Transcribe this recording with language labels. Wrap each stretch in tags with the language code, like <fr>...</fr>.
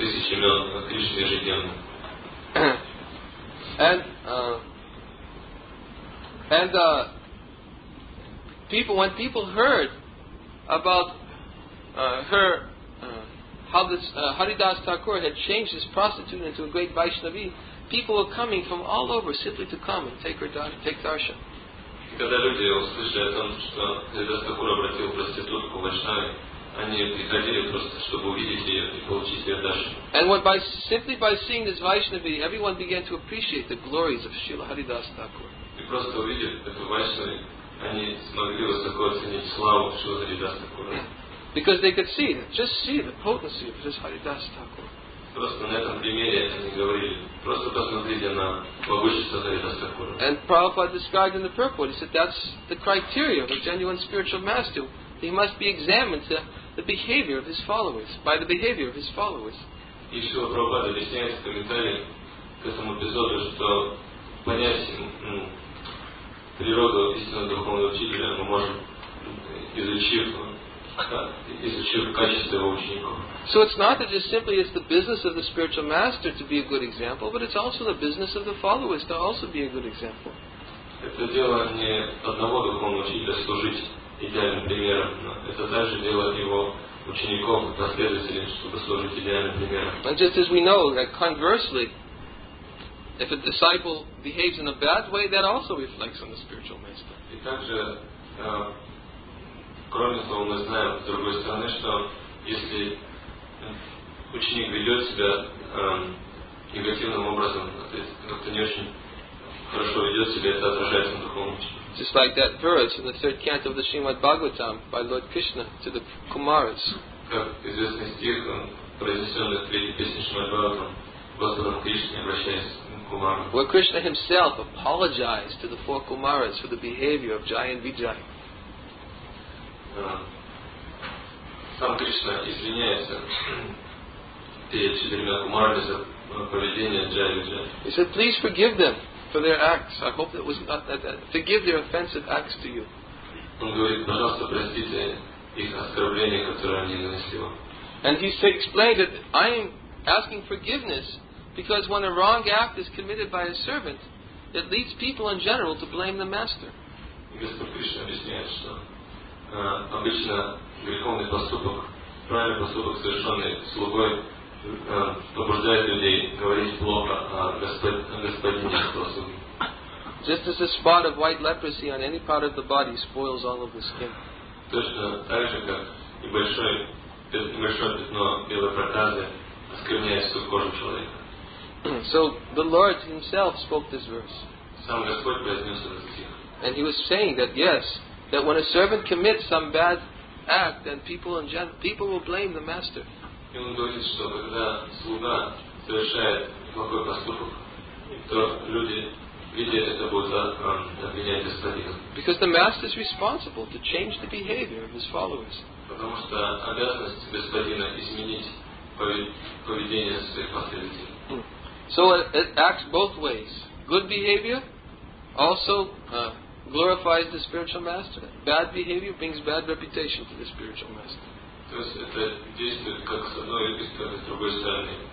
<en>And when people heard about how Haridas Thakur had changed this prostitute into a great Vaishnavi, people were coming from all over simply to come and take darshan.</en> <ru>Когда люди услышали о том, что Haridas Thakur обратил проститутку в Вайшнаве, они приходили просто, чтобы увидеть ее и получить ее даршан.</ru> <en>And simply by seeing this Vaishnavi, everyone began to appreciate the glories of Srila Haridas Thakur.</en> <ru>И просто увидев эту Вайшнаву, они смогли высоко оценить славу Шрила Харидас Такура.</ru> <en>Because they could see, just see the potency of this Haridas Thakur.</en> <ru>Просто на этом примере они говорили, просто посмотрите на могущество Haridas Thakur.</ru> <en>And Prabhupada described in the purport, he said that's the criteria of a genuine spiritual master. He must be examined to the behavior of his followers, by the behavior of his followers.</en> <ru>И Шрила Прабхупада объясняет в комментарии к этому эпизоду, что понять природу истинного духовного учителя мы можем, изучив качество его учеников.</ru> <en>So it's not that just simply it's the business of the spiritual master to be a good example, but it's also the business of the followers to also be a good example.</en> <ru>Это дело не одного духовного учителя служить идеальным примером, но это также дело его учеников, последователей, чтобы служить идеальным примером.</ru> <en>And just as we know that conversely, if a disciple behaves in a bad way, that also reflects on the spiritual master.</en> <ru>И также, кроме того, мы знаем с другой стороны, что если ученик ведет себя негативным образом, то есть как-то не очень хорошо ведет себя, это отражается на духовном учителе.</ru> <en>Just like that verse in the third canto of the Srimad Bhagavatam by Lord Krishna to the Kumaras.</en> <ru>Как известный стих, произнесенный в третьей песне Шримад Бхагаватам, Господом Кришне обращаясь.</ru> <en>Where Krishna himself apologized to the 4 Kumaras for the behavior of Jaya and Vijaya.</en> <ru>Сам Кришна извиняется перед 4 Кумарами за поведение Джая и Виджая.</ru> <en>He said, please forgive them for their acts. I hope that was not that. Forgive their offensive acts to you.</en> <ru>Он говорит, пожалуйста, простите их оскорбление, которое они нанесли вам.</ru> <en>And he explained that I am asking forgiveness because when a wrong act is committed by a servant, it leads people in general to blame the master.</en> <ru>Господь Кришна объясняет, что обычно греховный поступок, правильный поступок, совершенный слугой, побуждает людей говорить плохо о господине этого слуги.</ru> <en>Just as a spot of white leprosy on any part of the body spoils all of the skin.</en> <ru>Точно так же, как небольшое пятно белой проказы оскверняет всю кожу человека.</ru> <en>So the Lord himself spoke this verse.</en> <ru>Сам Господь произнес этот стих.</ru> <en>And he was saying that yes, that when a servant commits some bad act, then people will blame the master.</en> <ru>И он говорит, что когда слуга совершает плохой поступок, то люди, видя это, будут обвинять господина.</ru> <en>Because the master is responsible to change the behavior of his followers.</en> <ru>Потому что обязанность господина изменить поведение своих последователей.</ru> <en>So it acts both ways. Good behavior also glorifies the spiritual master. Bad behavior brings bad reputation to the spiritual master.</en> <ru>То есть это действует как с одной и с другой стороны.</ru>